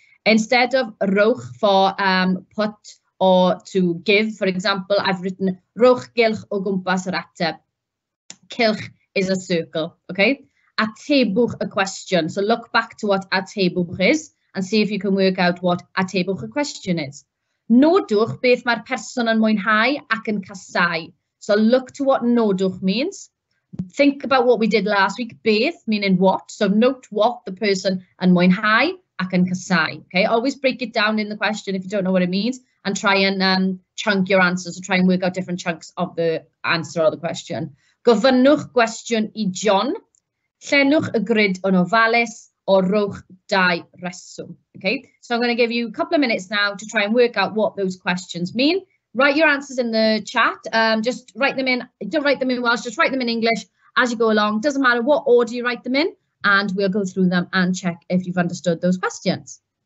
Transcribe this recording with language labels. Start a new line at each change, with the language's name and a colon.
English: Instead of roch for put or to give, for example, I've written
Welsh: roch gylch o gwmpas yr ateb.
English: Cylch is a circle. Okay, atebwch a question. So look back to what atebwch is and see if you can work out what atebwch a question is.
Welsh: Nodwch beth mae'r person yn mwynhau ac yn casau.
English: So look to what nodwch means. Think about what we did last week. Beth meaning what. So note what the person
Welsh: yn mwynhau ac yn casau.
English: Okay, always break it down in the question if you don't know what it means, and try and chunk your answers, so try and work out different chunks of the answer or the question.
Welsh: Gofynnwch gwestiwn i John. Llenwch y grid yn ofalus. Or roch dau reswm.
English: Okay, so I'm going to give you a couple of minutes now to try and work out what those questions mean. Write your answers in the chat. Just write them in, don't write them in Welsh, just write them in English as you go along. Doesn't matter what order you write them in, and we'll go through them and check if you've understood those questions.